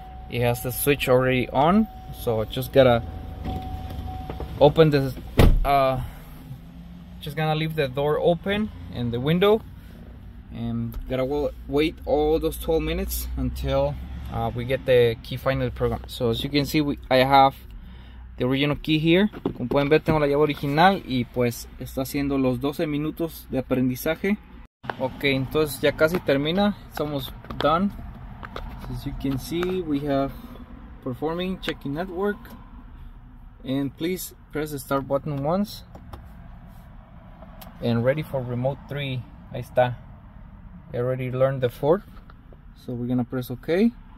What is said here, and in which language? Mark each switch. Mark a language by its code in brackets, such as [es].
[en] It has the switch already on, so I just gotta open this, just gonna leave the door open and the window, and gotta wait all those 12 minutes until we get the key finally programmed. So as you can see, I have the original key here. [es] Como pueden ver, tengo la llave original y pues está haciendo los 12 minutos de aprendizaje. Okay, entonces ya casi termina. [en] It's almost done. So as you can see, we have performing, checking network. And please press the start button once. And ready for remote 3. [es] Ahí está. [en] I already learned the 4. So we're gonna press OK.